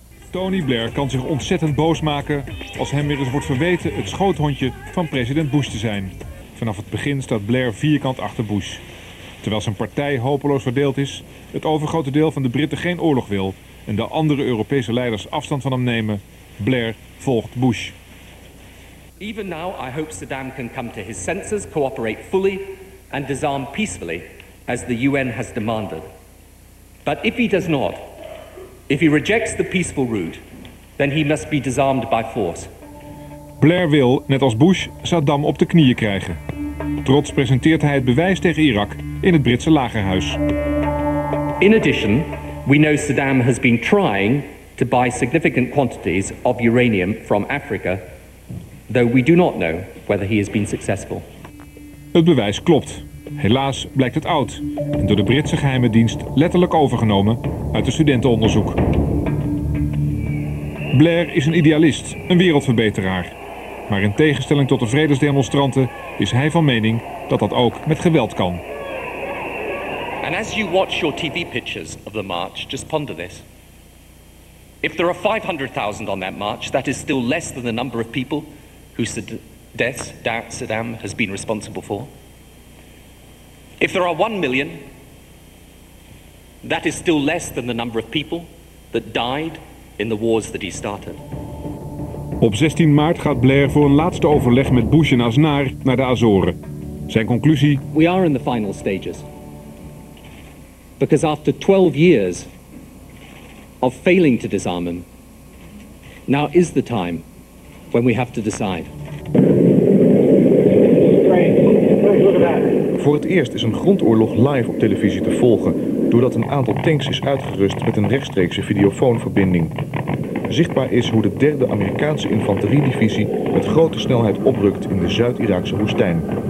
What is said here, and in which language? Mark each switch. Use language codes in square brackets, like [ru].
[nl] Tony Blair kan zich ontzettend boos maken als hem weer eens wordt verweten het schoothondje van president Bush te zijn. Vanaf het begin staat Blair vierkant achter Bush. Terwijl zijn partij hopeloos verdeeld is, het overgrote deel van de Britten geen oorlog wil en de andere Europese leiders afstand van hem nemen, Blair volgt Bush. [en] Even now, I hope Saddam can come to his senses, cooperate fully, and disarm peacefully, as the UN has demanded. But if he does not, if he rejects the peaceful route, then he must be disarmed by force. [nl] Blair wil, net als Bush, Saddam op de knieën krijgen. Trots presenteert hij het bewijs tegen Irak in het Britse lagerhuis. [en] In addition, we know Saddam has been trying to buy significant quantities of uranium from Africa, though we do not know whether he has been successful. [nl] Het bewijs klopt. Helaas blijkt het oud en door de Britse geheime dienst letterlijk overgenomen uit de studentenonderzoek. Blair is een idealist, een wereldverbeteraar. Maar in tegenstelling tot de vredesdemonstranten is hij van mening dat dat ook met geweld kan. [en] And as you watch your TV pictures of the march, just ponder this. If there are 500,000 on that march, that is still less than the number of people whose deaths Saddam has been responsible for. If there are 1 million, that is still less than the number of people that died in the wars that he started. [nl] Op 16 maart gaat Blair voor een laatste overleg met Bush en Aznar naar de Azoren. Zijn conclusie: [en] we are in the final stages. Because after 12 years of failing to disarm him, now is the time when we have to decide. [nl] Voor het eerst is een grondoorlog live op televisie te volgen, doordat een aantal tanks is uitgerust met een rechtstreekse videofoonverbinding. Zichtbaar is hoe de 3e Amerikaanse infanteriedivisie met grote snelheid oprukt in de Zuid-Iraakse woestijn.